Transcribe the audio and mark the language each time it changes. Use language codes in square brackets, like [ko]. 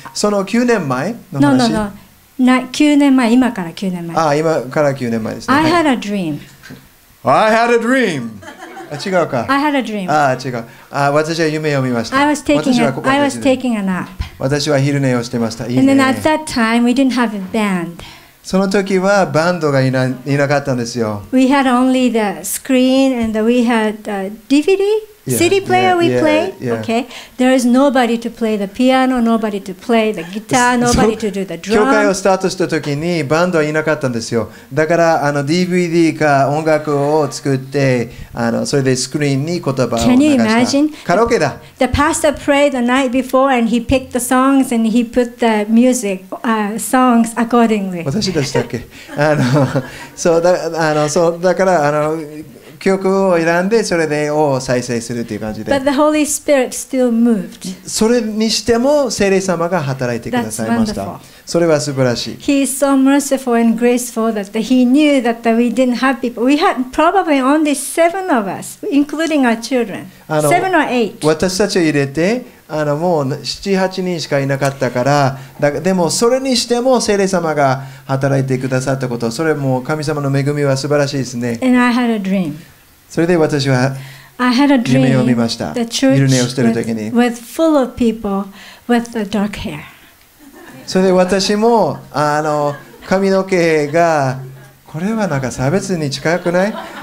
[ja] その9年前の話。 9年前、今から9年前。ああ、今から9年前ですね。 [en] I had a dream. I had a dream. [ja] あ、違うか。 [en] I had a dream. [ja] ああ、違う。ああ、私は夢を見ました。 [en] I was taking a nap. [ja] 私は昼寝をしてました。いいね。 [en] And then at that time, we didn't have a band. その時はバンドがいなかったんですよ。 We had only the screen and we had a DVD, CD player we played. Okay, there is nobody to play the piano, nobody to play the guitar, nobody to do the drum. [ja] 教会をスタートした時にバンドはいなかったんですよ。だから、あの、 DVD か音楽を作って、あの、それでスクリーンに言葉を流した。 [en] Can you imagine? [ja] カラオケだ。 [en] The pastor prayed the night before and he picked the songs and he put the music, songs accordingly. [ja] 私でしたっけ。あの、そうだ、あの、そうだから、あの、曲を選んで、それでを再生するという感じで。 [en] But the Holy Spirit still moved. [ja] それにしても聖霊様が働いてくださいました。それは素晴らしい。 [en] He is so merciful and graceful that he knew that we didn't have people. We had probably only seven of us, including our children. Seven or eight. [ja] 私たちを入れて、あの、もう7、8人しかいなかったから、だ、でもそれにしても聖霊様が働いてくださったこと、それも神様の恵みは素晴らしいですね。 [en] And I had a dream. [ja] それで私は夢を見ました。昼寝をしている時に。 [en] With full of people with the dark hair. [ja] それで私も、あの、髪の毛が、これはなんか差別に近くない？